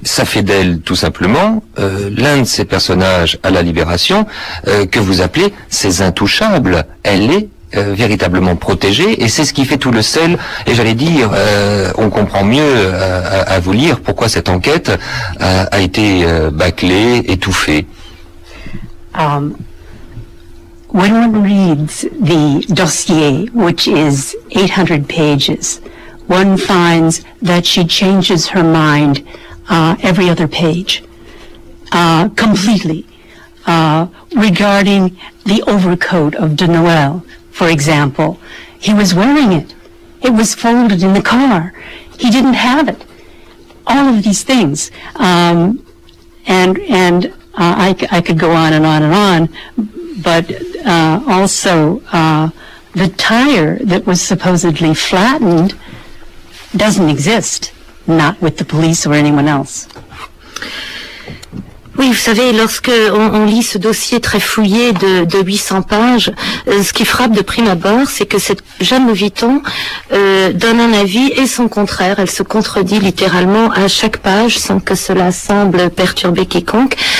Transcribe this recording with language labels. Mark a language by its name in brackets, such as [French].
[French] Ça fait d'elle tout simplement l'un de ces personnages à la Libération que vous appelez ces intouchables. Elle est véritablement protégée et c'est ce qui fait tout le sel. Et j'allais dire, on comprend mieux à vous lire pourquoi cette enquête a été bâclée, étouffée. [English] When one reads the dossier, which is 800 pages, one finds that she changes her mind every other page, completely, regarding the overcoat of de Noël. For example, he was wearing it. It was folded in the car. He didn't have it. All of these things. I could go on and on and on, but also the tire that was supposedly flattened doesn't exist, not with the police or anyone else. [French] Oui, vous savez, lorsque on lit ce dossier très fouillé de 800 pages, ce qui frappe de prime abord, c'est que cette Jeanne Lhoviton donne un avis et son contraire. Elle se contredit littéralement à chaque page, sans que cela semble perturber quiconque.